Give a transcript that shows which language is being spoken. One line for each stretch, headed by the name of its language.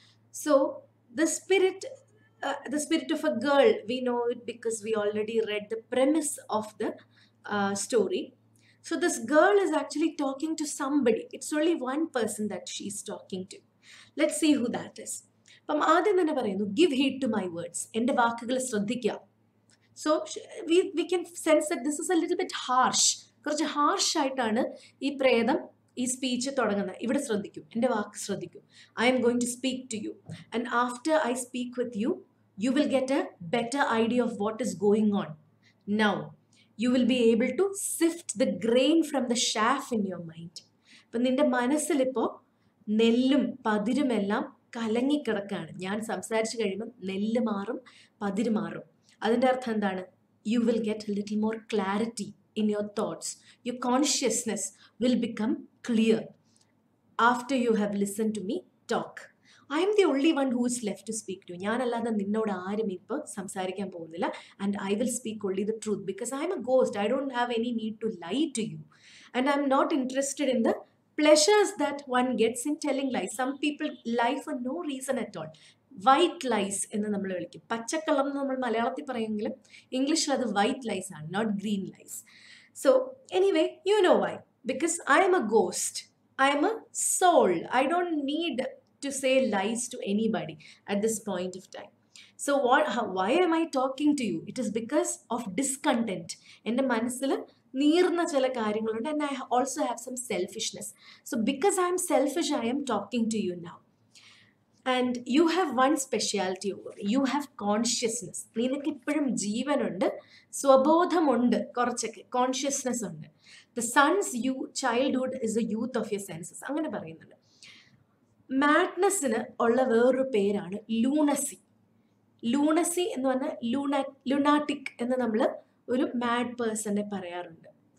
English: So the spirit of a girl, we know it because we already read the premise of the story. So this girl is actually talking to somebody. It's only one person that she's talking to. Let's see who that is. Pam
Malayalam: aadyam enna parayunu,
English: give heed to my words,
Malayalam: ende vaakkukale shraddhikka.
English: So we can sense that this is a little bit harsh.
Malayalam: കുറച്ച് ഹാർഷായിട്ടാണ് ഈ പ്രേതം ഈ speech തുടങ്ങുന്നത്. ഇവിടെ ശ്രദ്ധിക്കൂ, എൻ്റെ വാക്ക് ശ്രദ്ധിക്കൂ.
English: I am going to speak to you and after I speak with you you will get a better idea of what is going on. Now you will be able to sift the grain from the chaff in your mind.
Malayalam: അപ്പം നിൻ്റെ മനസ്സിലിപ്പോൾ നെല്ലും പതിരുമെല്ലാം കലങ്ങിക്കിടക്കുകയാണ്. ഞാൻ സംസാരിച്ചു കഴിയുമ്പം നെല്ല് മാറും, പതിര് മാറും. അതിൻ്റെ അർത്ഥം എന്താണ്?
English: You will get a little more clarity in your thoughts, your consciousness will become clear after you have listened to me talk. I am the only one who is left to speak to.
Malayalam: Njan allada ninnod aarum ippo samsarikkan povunnilla,
English: and I will speak only the truth because I am a ghost. I don't have any need to lie to you, and I am not interested in the pleasures that one gets in telling lies. Some people lie for no reason at all.
Malayalam: White lies എന്ന് നമ്മൾ വിളിക്കും. പച്ചക്കള്ളം എന്ന് നമ്മൾ മലയാളത്തിൽ പറയുമെങ്കിലും ഇംഗ്ലീഷിൽ അത് വൈറ്റ് ലൈസ് ആണ്,
English: Not green lies. So anyway, you know why, because I am a ghost, I am a soul. I don't need to say lies to anybody at this point of time. So why am I talking to you? It is because of discontent.
Malayalam: എൻ്റെ മനസ്സിൽ നീർന്ന ചില കാര്യങ്ങളുണ്ട്,
English: And I also have some selfishness. So because I am selfish, I am talking to you now. And you have one speciality over me. You have consciousness.
Malayalam: നിനക്ക് ഇപ്പോഴും ജീവനുണ്ട്, സ്വബോധമുണ്ട്, കുറച്ചൊക്കെ consciousness ഉണ്ട്.
English: the sons you childhood is a youth of your senses,
Malayalam: അങ്ങനെ പറയുന്നുണ്ട്. മാഡ്നെസ്സിന് ഉള്ള വേറൊരു പേരാണ് ലൂണസി. ലൂണസി എന്ന് പറഞ്ഞാൽ ലുണാറ്റിക് എന്ന് നമ്മൾ ഒരു മാഡ് പേഴ്സണെ പറയാറുണ്ട്.